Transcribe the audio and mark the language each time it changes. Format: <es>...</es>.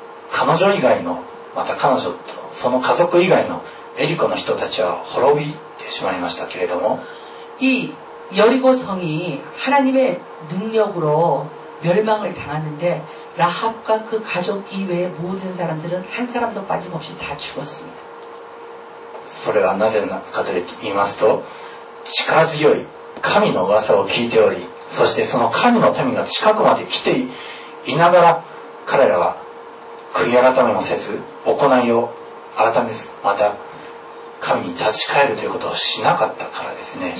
<ja>彼女以外の、また彼女とその家族以外のエリコの人たちは滅びてしまいましたけれども、</ja> <ko>이여리고성이하나님의능력으로멸망을당하는데라합과그가족이외의모든사람들은한사람도빠짐없이다죽었습니다 그래서나</ko> <ja>ぜかと言いますと力強い神の噂を聞いておりそしてその神の民が近くまで来ていながら彼らは悔い改めもせず行いを改めずまた神に立ち返るということをしなかったからですね。</ja>